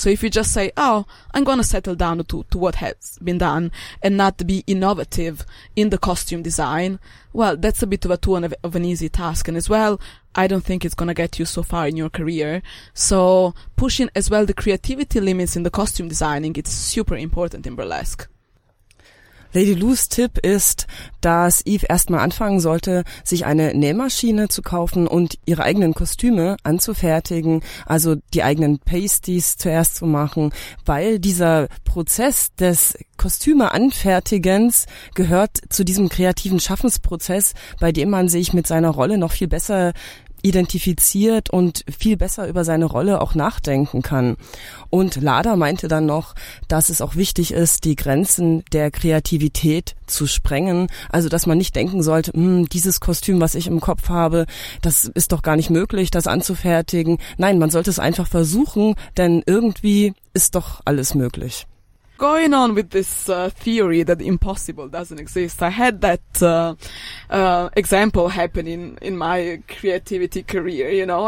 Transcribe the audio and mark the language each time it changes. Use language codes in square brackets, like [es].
[en] So if you just say, oh, I'm going to settle down to what has been done and not be innovative in the costume design, well, that's a bit of a too of an easy task. And as well, I don't think it's going to get you so far in your career. So pushing as well the creativity limits in the costume designing, it's super important in burlesque. [de] Lady Lou's Tipp ist, dass Eve erstmal anfangen sollte, sich eine Nähmaschine zu kaufen und ihre eigenen Kostüme anzufertigen, also die eigenen Pasties zuerst zu machen, weil dieser Prozess des Kostüme-Anfertigens gehört zu diesem kreativen Schaffensprozess, bei dem man sich mit seiner Rolle noch viel besser identifiziert und viel besser über seine Rolle auch nachdenken kann. Und Lada meinte dann noch, dass es auch wichtig ist, die Grenzen der Kreativität zu sprengen. Also, dass man nicht denken sollte, dieses Kostüm, was ich im Kopf habe, das ist doch gar nicht möglich, das anzufertigen. Nein, man sollte es einfach versuchen, denn irgendwie ist doch alles möglich. [en] Going on with this theory that impossible doesn't exist, I had that example happen in my creativity career, you know.